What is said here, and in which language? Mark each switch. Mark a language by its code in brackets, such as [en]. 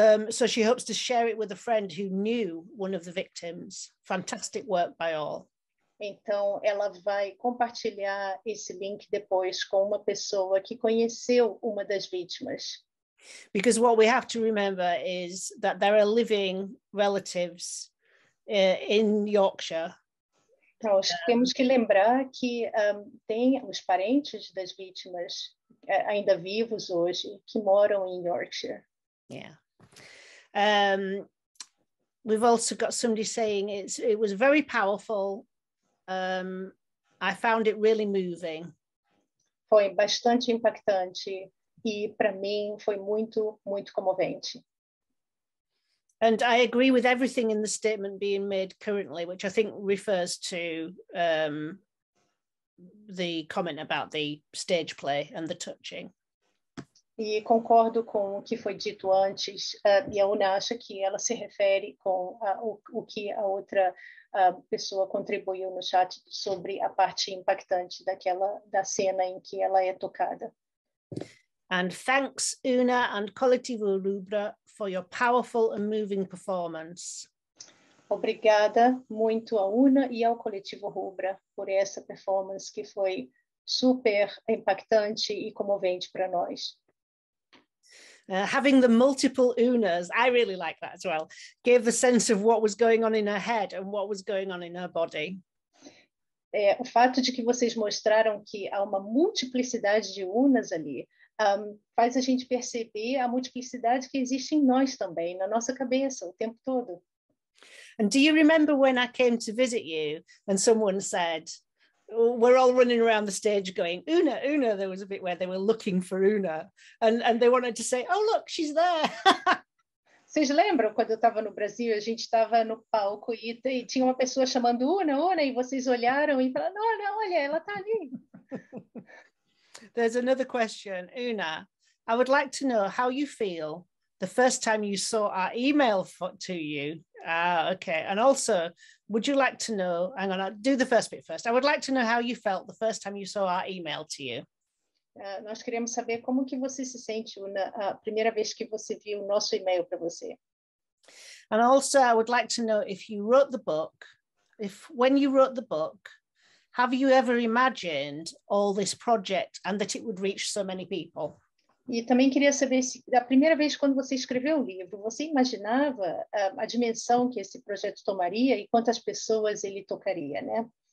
[en] So she hopes to share it with a friend who knew one of the victims. Fantastic work by all. [pt] Então, ela vai compartilhar esse link depois com uma pessoa que conheceu uma das vítimas. [en] Because what we have to remember is that there are living relatives in Yorkshire. [pt] Então, temos que lembrar que tem os parentes das vítimas ainda vivos hoje que moram em Yorkshire. [en] Yeah. We've also got somebody saying it was very powerful. I found it really moving. [pt] Foi bastante impactante e para mim foi muito, muito comovente. [en] And I agree with everything in the statement being made currently, which I think refers to the comment about the stage play and the touching. [pt] E concordo com o que foi dito antes, e a Una acha que ela se refere com o que a outra pessoa contribuiu no chat sobre a parte impactante da cena em que ela é tocada. [en] And thanks, Una and Coletivo Rubra, for your powerful and moving performance. [pt] Obrigada muito a Una e ao Coletivo Rubra por essa performance que foi super impactante e comovente para nós. [en] Having the multiple Unas, I really like that as well, gave the sense of what was going on in her head and what was going on in her body. [pt] É, o fato de que vocês mostraram que há uma multiplicidade de Unas ali faz a gente perceber a multiplicidade que existe em nós também, na nossa cabeça, o tempo todo. [en] And do you remember when I came to visit you and someone said, we're all running around the stage going, Una, Una, there was a bit where they were looking for Una. And they wanted to say, oh, look, she's there. [pt] Vocês lembram quando eu estava no Brasil, a gente estava no palco e tinha uma pessoa chamando Una, Una, e vocês olharam e falaram, olha, olha, ela está ali. [en] There's another question. Una, I would like to know how you feel the first time you saw our email to you. Okay. And also, would you like to know, hang on, I'll do the first bit first. I would like to know how you felt the first time you saw our email to you. [pt] Nós queremos saber como que você se sente, Una, a primeira vez que você viu o nosso e-mail para você. [en] And also, I would like to know if you wrote the book, if when you wrote the book, have you ever imagined all this project and that it would reach so many people? [pt] E também queria saber se da primeira vez quando você escreveu o livro, você imaginava a dimensão que esse projeto tomaria e quantas pessoas ele tocaria, né?